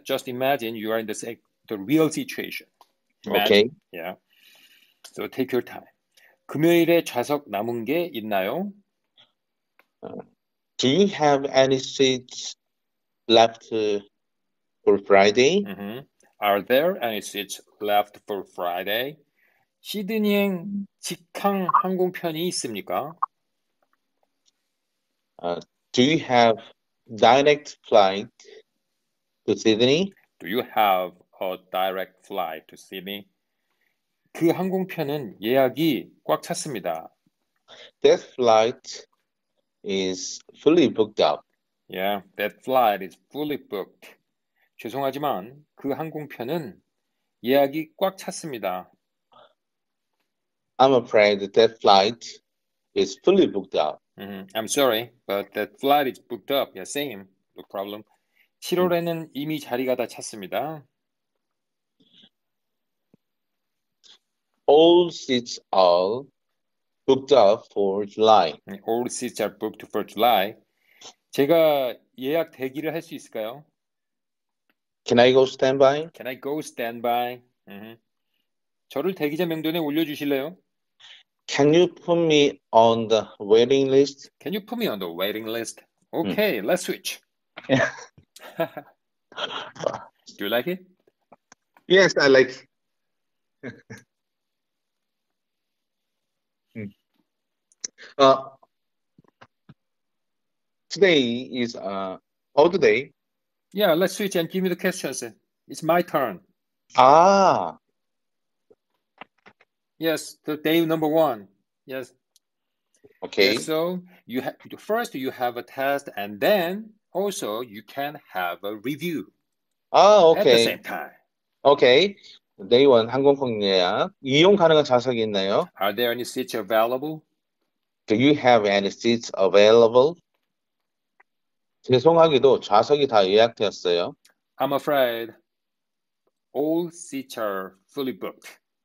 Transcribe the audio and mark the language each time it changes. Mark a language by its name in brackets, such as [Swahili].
[English] Just imagine you are in the real situation. Imagine. Okay. Yeah. So take your time. [Korean] 금요일에 좌석 남은 게 있나요? [English] Do you have any seats left for Friday? Mm-hmm. Are there any seats left for Friday? [Korean] 시드니행 직항 항공편이 있습니까? [English] Do you have direct flight to Sydney? Do you have a direct flight to Sydney? [Korean] 그 항공편은 예약이 꽉 찼습니다. [English] That flight is fully booked up. Yeah, that flight is fully booked. [Korean] 죄송하지만 그 항공편은 예약이 꽉 찼습니다. [English] I'm afraid that flight is fully booked up. Mm-hmm. I'm sorry, but that flight is booked up. Yeah, same. No problem. [Korean] 7월에는 이미 자리가 다 찼습니다. [English] All seats are booked up for July. All seats are booked for July. [Korean] 제가 예약 대기를 할 수 있을까요? [English] Can I go standby? Can I go standby? Mm-hmm. [Korean] 저를 대기자 명단에 올려주실래요? [English] Can you put me on the waiting list? Can you put me on the waiting list? Okay, let's switch. Yeah. Do you like it? Yes, I like it. today is old day. Yeah, let's switch and give me the questions. It's my turn. Ah. Yes, the day number one. Yes. Okay. Yes, so you have a test and then also you can have a review. Ah, okay. At the same time. Okay. Day one, [Korean] 항공권 예약. 이용 가능한 좌석이 있나요? [English] Are there any seats available? Do you have any seats available? [Korean] 죄송하기도 좌석이 다 예약되었어요. [English] I'm afraid all seats are fully booked.